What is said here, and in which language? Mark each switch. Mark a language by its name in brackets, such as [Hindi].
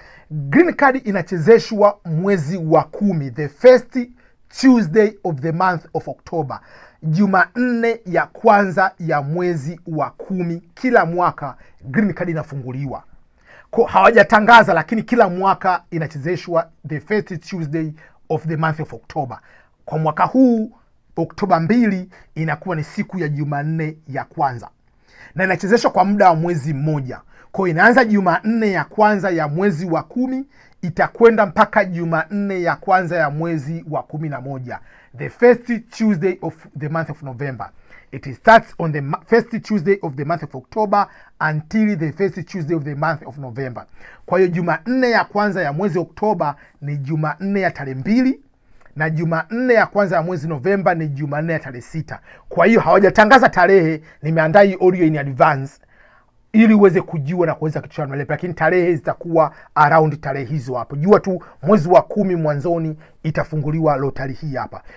[Swahili] Green card inachezeshwa mwezi wa kumi, [English] the first Tuesday of the month of October. [Swahili] Jumanne ya kwanza ya mwezi wa kumi, kila mwaka green card inafunguliwa. Kwa hawajatangaza, lakini kila mwaka inachezeshwa [English] the first Tuesday of the month of October. [Swahili] Kwa mwaka huu, October 2 inakuwa ni siku ya Jumanne ya kwanza. Na inachezeshwa kwa muda wa mwezi mmoja. Kwa inaanza Jumanne ya kwanza ya mwezi wa kumi, itakwenda mpaka Jumanne ya kwanza ya mwezi wa kumi na moja. [English] The first Tuesday of the month of November. It starts on the first Tuesday of the month of October until the first Tuesday of the month of November. [Swahili] Kwa hiyo Jumanne ya kwanza ya mwezi Oktoba ni Jumanne ya tarehe 2. Na Jumanne ya kwanza ya mwezi November ni Jumanne ya tarehe 6. Kwa hiyo hawajatangaza tarehe, nimeandaa hii [English] audio in advance [Swahili] ili uweze kujua na kuweza kuchukua mwele. Lakini tarehe zitakuwa around tarehe hizo hapo. Jua tu mwezi wa kumi mwanzoni itafunguliwa lotari hii hapa.